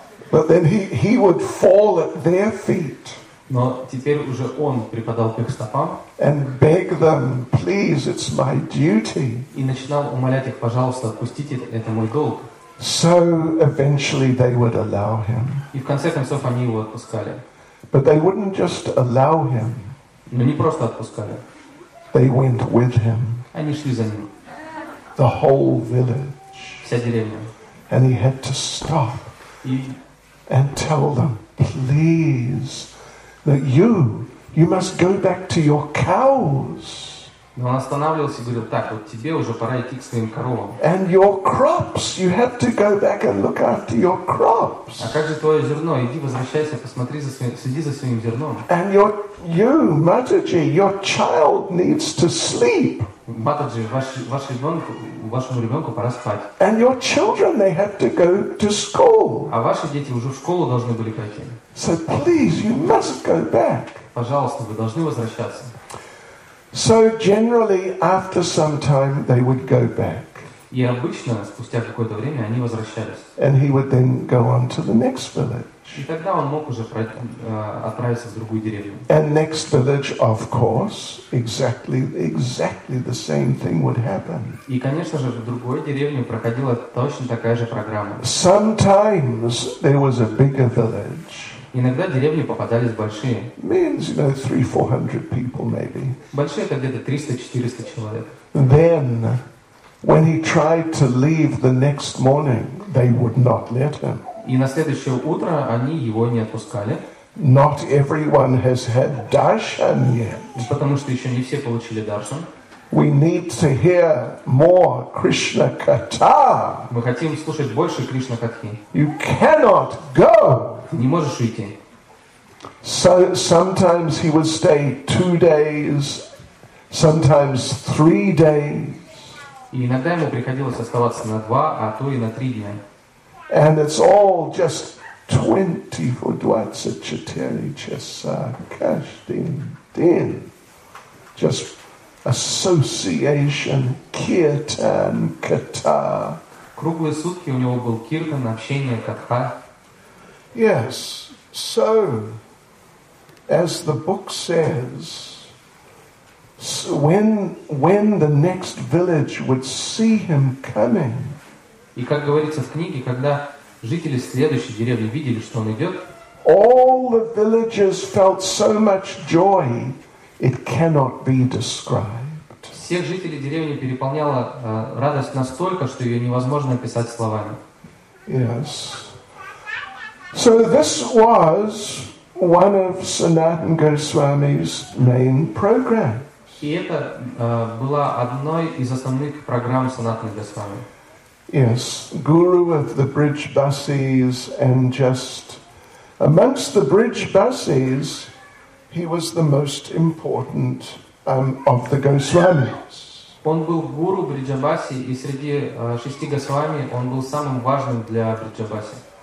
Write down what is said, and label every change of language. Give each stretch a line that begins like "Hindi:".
English: But then he would fall at their feet.
Russian: Но теперь уже он припадал к их стопам.
English: And beg them, please, it's my duty.
Russian: И начинал умолять их, пожалуйста, отпустите, это мой долг.
English: So eventually they would allow him.
Russian: И в конце концов они его отпускали.
English: But they wouldn't just allow him.
Russian: Но не просто отпускали.
English: They went with him.
Russian: Они шли за ним.
English: The whole village.
Russian: Вся деревня.
English: And he had to stop.
Russian: И...
English: And tell them, please, that you must go back to your cows.
Russian: Но он останавливался и говорил: так, вот тебе уже пора идти к своим коровам.
English: And your crops, you have to go back and look after your crops.
Russian: А как же твое зерно? Иди, возвращайся, посмотри за своим, следи за своим зерном.
English: And you, Mataji, your child needs to sleep.
Russian: Матаджи, вашему ребенку пора спать.
English: And your children, they have to go to school.
Russian: А ваши дети уже в школу должны были пойти.
English: So please, you must go back.
Russian: Пожалуйста, вы должны возвращаться.
English: So generally, after some time, they would go back.
Russian: И обычно спустя какое-то время они возвращались.
English: And he would then go on to the next village.
Russian: И тогда он мог уже отправиться в другую деревню.
English: And next village, of course, exactly the same thing would happen.
Russian: И конечно же в другой деревне проходила точно такая же программа.
English: Sometimes there was a bigger village.
Russian: Иногда деревни попадались большие.
English: Means, you know, 300-400 people maybe.
Russian: Большие — это где-то 300-400 человек.
English: Then, when he tried to leave the next morning, they would not let him.
Russian: И на следующее утро они его не отпускали.
English: Not everyone has had darshan yet.
Russian: Потому что еще не все получили даршан.
English: We need to hear more Krishna katha.
Russian: Мы хотим слушать больше Кришна катхи.
English: You cannot go.
Russian: Не можешь уйти.
English: So sometimes he would stay 2 days, sometimes 3 days.
Russian: И иногда ему приходилось оставаться на 2, а то и на 3 дня.
English: And it's all just 24 dvatsa chatari chasa kashtin din. Just association kirtan katha.
Russian: Круглые сутки у него был киртан, общение, катха.
English: Yes, so, as the book says, so when the next village would see him coming,
Russian: и как говорится в книге, когда жители следующей деревни видели, что он идет,
English: all the villagers felt so much joy, it cannot be described.
Russian: Всех жителей деревни переполняла радость настолько, что ее невозможно описать словами.
English: Yes. So this was one of Sanatan Goswami's main programs.
Russian: И это была одной из основных программ Санатана Госвами.
English: Yes, guru of the bridge buses, and just amongst the bridge buses, he was the most important of the Goswamis.
Russian: Он был гуру бриджабаси, и среди шести Госвами он был самым важным для бриджабаси.